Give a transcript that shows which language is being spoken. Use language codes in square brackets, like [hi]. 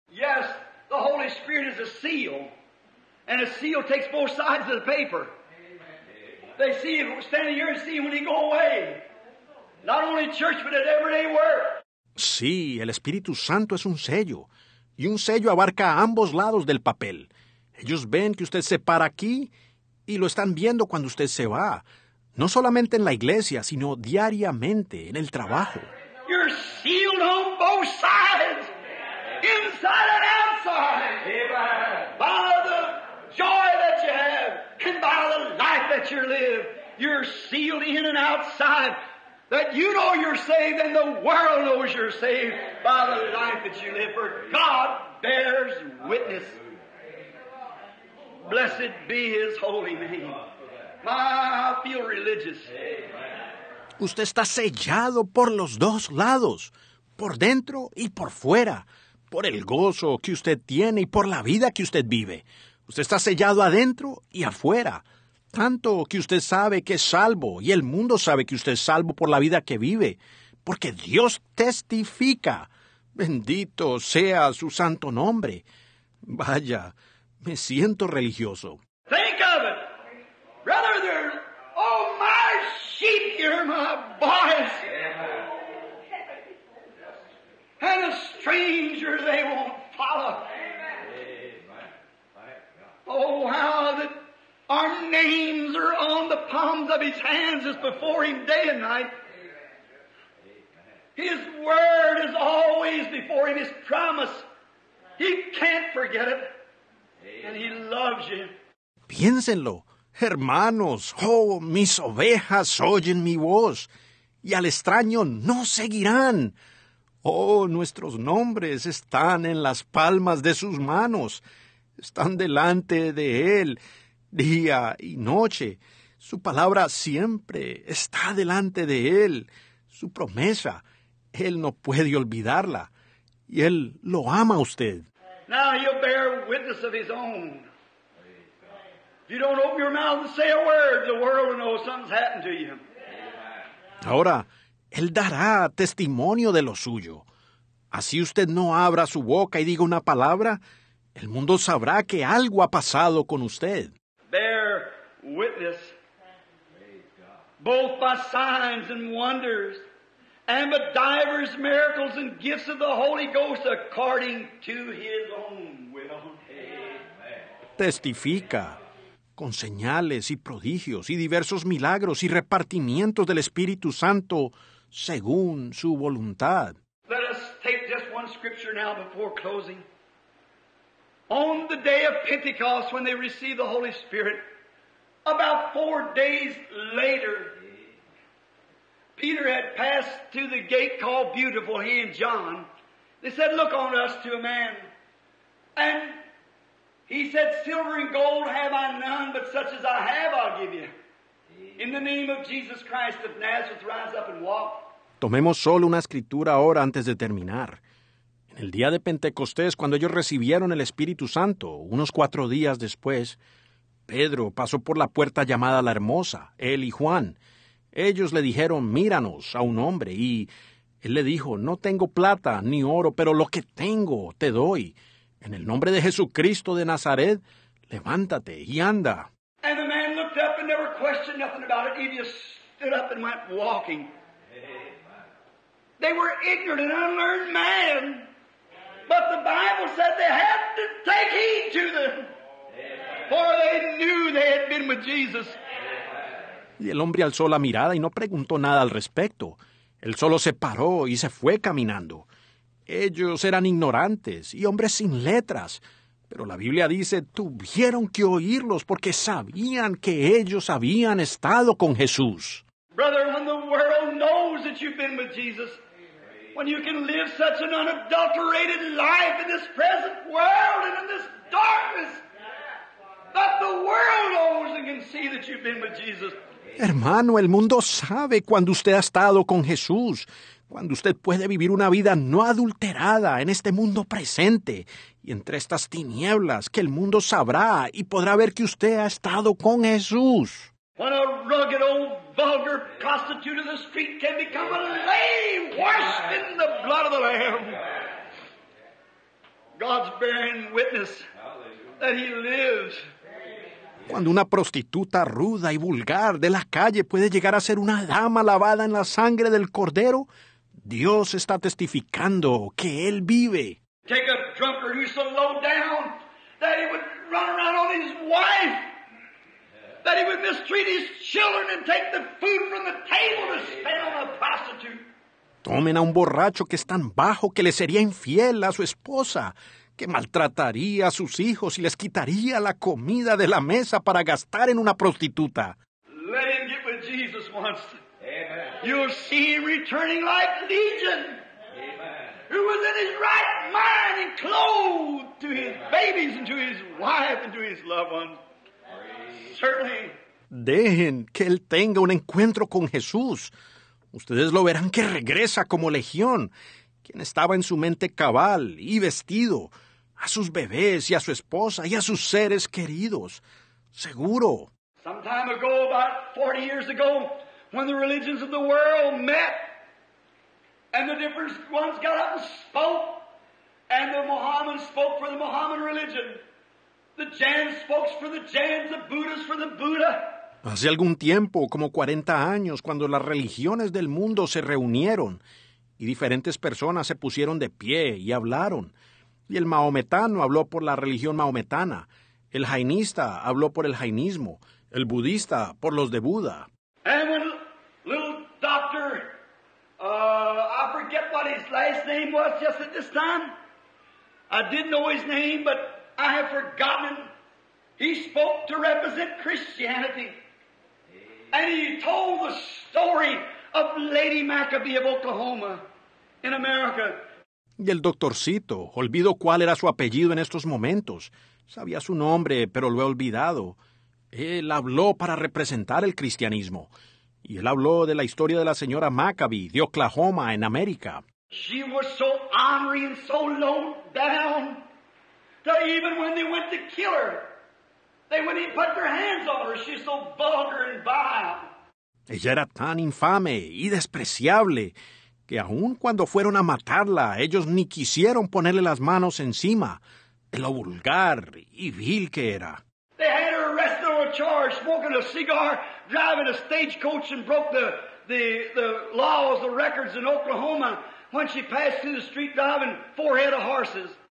[en] Yes, the Holy Spirit is a seal. And a seal takes both sides of the paper. Amen. They see him standing here and see him when he go away. Not only in church, but at everyday work. [es] Sí, el Espíritu Santo es un sello. Y un sello abarca ambos lados del papel. Ellos ven que usted se para aquí y lo están viendo cuando usted se va. No solamente en la iglesia, sino diariamente en el trabajo. [en] You're sealed on both sides. Inside and outside. Amen. By the joy that you have and by the life that you live. You're sealed in and outside. That you know you're saved and the world knows you're saved by the life that you live. For God bears witness. Blessed be His holy name. My, I feel religious. [es] Usted está sellado por los dos lados, por dentro y por fuera, por el gozo que usted tiene y por la vida que usted vive. Usted está sellado adentro y afuera, tanto que usted sabe que es salvo y el mundo sabe que usted es salvo por la vida que vive, porque Dios testifica. Bendito sea su santo nombre. Vaya, me siento religioso. [en] Think of it. Brother, there, oh, my sheep, hear my voice. Amen. And a stranger they won't follow. Amen. Oh, how that our names are on the palms of his hands is before him day and night. His word is always before him, his promise. He can't forget it. And he loves you. [es] Piénsenlo. Hermanos, oh, mis ovejas oyen mi voz, y al extraño no seguirán. Oh, nuestros nombres están en las palmas de sus manos. Están delante de Él, día y noche. Su palabra siempre está delante de Él. Su promesa, Él no puede olvidarla. Y Él lo ama a usted. [en] Now he'll bear witness of his own. If you don't open your mouth and say a word, the world will know something's happened to you. [es] Ahora, Él dará testimonio de lo suyo. Así usted no abra su boca y diga una palabra, el mundo sabrá que algo ha pasado con usted. [en] Bear witness, both by signs and wonders, and by divers miracles and gifts of the Holy Ghost according to His own will. [es] Testifica. Con señales y prodigios y diversos milagros y repartimientos del Espíritu Santo según su voluntad. [en] Let us take just one scripture now before closing. On the day of Pentecost, when they received the Holy Spirit, about 4 days later, Peter had passed to the gate called Beautiful, he and John. They said, look on us to a man. And he said, silver and gold have I none, but such as I have I'll give you. In the name of Jesus Christ of Nazareth, rise up and walk. [es] Tomemos solo una escritura ahora antes de terminar. En el día de Pentecostés, cuando ellos recibieron el Espíritu Santo, unos 4 días después, Pedro pasó por la puerta llamada La Hermosa, él y Juan. Ellos le dijeron, míranos a un hombre, y él le dijo, no tengo plata ni oro, pero lo que tengo te doy. En el nombre de Jesucristo de Nazaret, levántate y anda. [en] And the man looked up and never questioned nothing about it. He just stood up and went walking. Amen. They were ignorant and unlearned men. But the Bible said they had to take heed to them. Amen. For they knew they had been with Jesus. Amen. [es] Y el hombre alzó la mirada y no preguntó nada al respecto. Él solo se paró y se fue caminando. Ellos eran ignorantes y hombres sin letras, pero la Biblia dice, tuvieron que oírlos porque sabían que ellos habían estado con Jesús. [en] Brother, when the world knows that you've been with Jesus, when you can live such an unadulterated life in this present world and in this darkness that the world knows and can see that you've been with Jesus. [es] Hermano, el mundo sabe cuando usted ha estado con Jesús, cuando usted puede vivir una vida no adulterada en este mundo presente y entre estas tinieblas, que el mundo sabrá y podrá ver que usted ha estado con Jesús. [en] When a rugged old vulgar prostitute of the street can become a lamb washed in the blood of the Lamb. God's bearing witness that he lives. [es] Cuando una prostituta ruda y vulgar de la calle puede llegar a ser una dama lavada en la sangre del Cordero, Dios está testificando que él vive. [en] Take a drunkard who's so low down that he would run around on his wife. That he would mistreat his children and take the food from the table to spend on a prostitute. [es] Tomen a un borracho que es tan bajo que le sería infiel a su esposa, que maltrataría a sus hijos y les quitaría la comida de la mesa para gastar en una prostituta. [en] Let him get with Jesus once. Amen. You'll see him returning like Legion. Amen. Who was in his right mind and clothed to his babies and to his wife and to his loved ones. Certainly. [es] Dejen que él tenga un encuentro con Jesús. Ustedes lo verán que regresa como legión, quien estaba en su mente cabal y vestido, a sus bebés y a su esposa y a sus seres queridos. Seguro. [en] Some time ago, about 40 years ago, when the religions of the world met, and the different ones got up and spoke, and the Mohammedans spoke for the Mohammedan religion. The Jains spoke for the Jains, the Buddhists for the Buddha. [es] Hace algún tiempo, como 40 años, cuando las religiones del mundo se reunieron y diferentes personas se pusieron de pie y hablaron, y el mahometano habló por la religión mahometana, el jainista habló por el jainismo, el budista por los de Buda. [en] And when little doctor, I forget what his last name was just at this time. I didn't know his name, but I have forgotten. He spoke to represent Christianity. And he told the story of Lady Maccabee of Oklahoma in America. [es] Y el doctorcito, olvido cuál era su apellido en estos momentos. Sabía su nombre, pero lo he olvidado. Él habló para representar el cristianismo. Y él habló de la historia de la señora Maccabee de Oklahoma en América. [en] She was so ornery and so low down. That even when they went to kill her, they wouldn't even put their hands on her. She's so vulgar and vile. [es] Ella era tan infame y despreciable que aun cuando fueron a matarla, ellos ni quisieron ponerle las manos encima de lo vulgar y vil que era. [en] They had her arrested on a charge, smoking a cigar, driving a stagecoach, and broke the laws, the records in Oklahoma when she passed through the street driving 4 head of horses.